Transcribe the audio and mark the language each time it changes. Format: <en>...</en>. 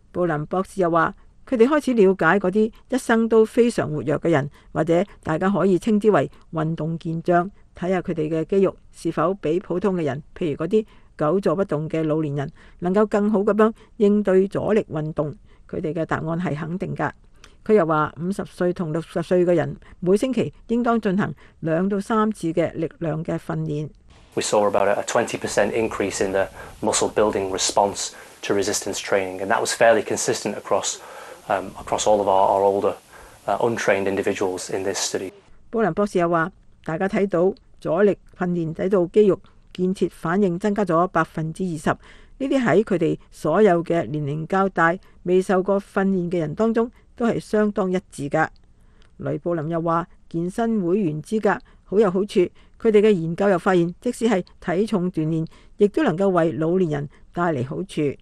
<zh>布林博士又说，他们开始了解那些一生都非常活跃的人，或者大家可以称之为运动健将，看看他们的肌肉是否比普通的人，譬如那些久坐不动的老年人，能够更好地应对阻力运动。他们的答案是肯定的。他又说，50岁和60岁的人每星期应当进行2-3次的力量的训练。</zh> <en>We saw about a 20% increase in the muscle building response to resistance training, and that was fairly consistent across all of our older, untrained individuals in this study.</en> <zh>布林博士又说，大家看到阻力训练使到肌肉建设反应增加了20%，这些在他们所有的年龄较大、未受过训练的人当中都是相当一致的。雷布林又说，健身会员资格很有好处，他们的研究又发现，即使是体重锻炼亦都能够为老年人带来好处。</zh>